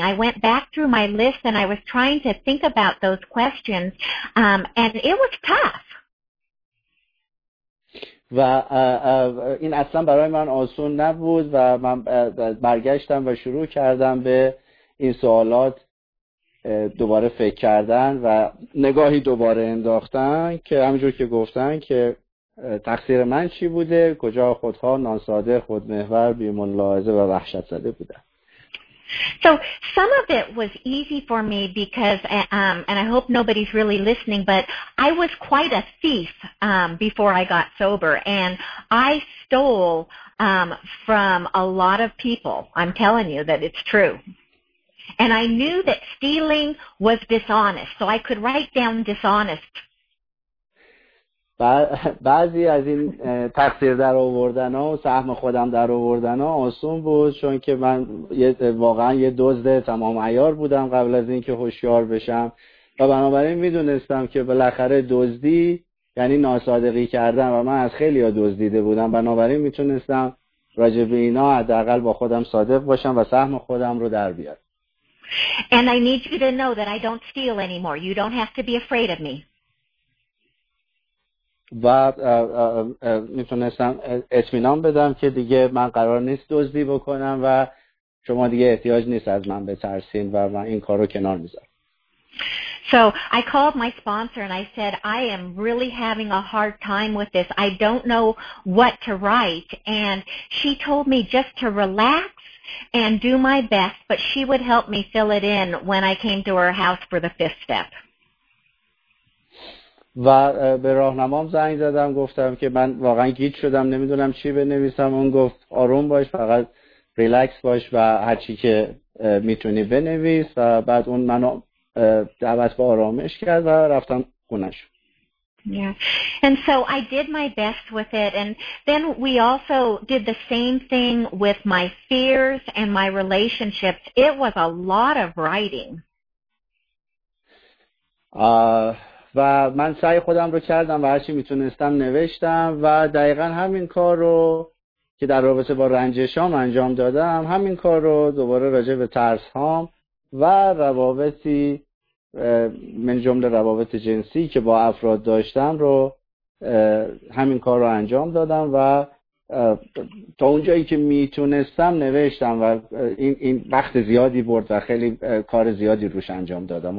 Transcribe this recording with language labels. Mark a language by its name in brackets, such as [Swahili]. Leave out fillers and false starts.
[English] I went back through my list and I was trying to think about those questions, and it was tough. [Persian] و این اصلا برای من آسون نبود و من برگشتم و شروع کردم به این سوالات دوباره فکر کردن و نگاهی دوباره انداختن که همونجور که گفتن که تقصیر من چی بوده، کجا خودها ناساده، خودمحور، بی‌ملاحظه و وحشت زده بودن. [English] So some of it was easy for me because, and I hope nobody's really listening, but I was quite a thief before I got sober, and I stole from a lot of people. I'm telling you that it's true. And I knew that stealing was dishonest, so I could write down dishonest. [Persian] بعضی از این تقصیر در آوردن ها و سهم خودم در آوردن ها آسون بود، چون که من واقعا یه دزد تمام عیار بودم قبل از اینکه هوشیار بشم و بنابراین میدونستم که بالاخره دزدی یعنی ناصادقی کردن و من از خیلی ها دزدیده بودم، بنابراین میتونستم راجع به اینا حداقل با خودم صادق باشم و سهم خودم رو در بیارم. [English] And I need you to know that I don't steal anymore. You don't have to be afraid of me. [Persian] و میتونستم اطمینان بدم که دیگه من قرار نیست دزدی بکنم و شما دیگه احتیاج نیست از من بترسین و من این کارو کنار میذارم. [English] So I called my sponsor and I said I am really having a hard time with this. I don't know what to write, and she told me just to relax and do my best, but she would help me fill it in when I came to her house for the fifth step. [Persian] و به راهنمام زنگ زدم، گفتم که من واقعا گیج شدم، نمیدونم چی بنویسم. اون گفت آروم باش، فقط ریلکس باش و هر چی که میتونی بنویس. و بعد اون منو دعوت به آرامش کرد و رفتم خونش. [English] Yeah. And so I did my best with it, and then we also did the same thing with my fears and my relationships. It was a lot of writing. [Persian] و من سعی خودم رو کردم و هرچی میتونستم نوشتم و دقیقا همین کار رو که در رابطه با رنجشام انجام دادم، همین کار رو دوباره راجع به ترسهام و روابطی من جمله روابط جنسی که با افراد داشتم رو همین کار رو انجام دادم و تا اونجایی که میتونستم نوشتم و این وقت زیادی برد و خیلی کار زیادی روش انجام دادم.